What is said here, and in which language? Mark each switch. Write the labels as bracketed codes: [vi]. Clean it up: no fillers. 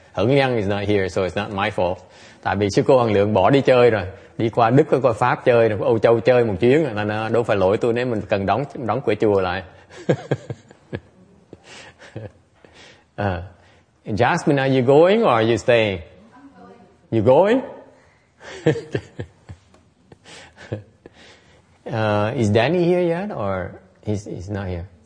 [en] Hưng Nhân is not here, so it's not my fault. [vi] Tại vì sư cô Hằng Lượng bỏ đi chơi rồi, đi qua Đức, qua Pháp chơi, qua Âu Châu chơi một chuyến, nên đâu phải lỗi tôi nếu mình cần đóng cửa chùa lại. [en] Jasmine, are you going or are you staying? I'm going. You going? Is Danny here yet, or he's not here?